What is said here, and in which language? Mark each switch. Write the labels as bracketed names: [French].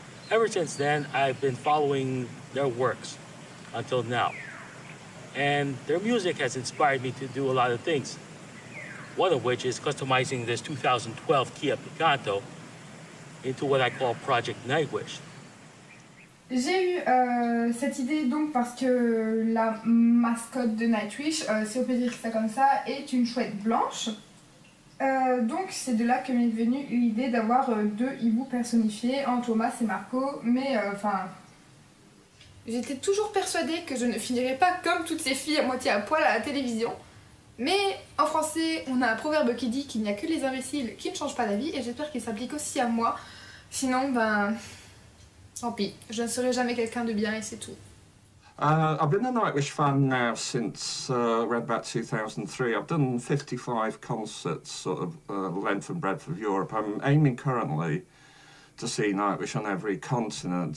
[English] Ever since then, I've been following their works until now. And their music has inspired me to do a lot of things, one of which is customizing this 2012 Kia Picanto into what I call Project Nightwish. [French] J'ai eu cette idée donc parce que la mascotte de Nightwish, si on peut dire ça comme ça, est une chouette blanche. Donc c'est de là que m'est venue l'idée d'avoir deux hiboux personnifiés en Thomas et Marco, mais enfin... J'étais toujours persuadée que je ne finirais pas comme toutes ces filles à moitié à poil à la télévision. Mais en français, on a un proverbe qui dit qu'il n'y a que les imbéciles qui ne changent pas d'avis et j'espère qu'il s'applique aussi à moi. Sinon, ben... Tant pis, je ne serai jamais quelqu'un de bien et c'est tout. [English] I've been a Nightwish fan now since around about 2003. I've done 55 concerts, sort of length and breadth of Europe. I'm aiming currently to see Nightwish on every continent.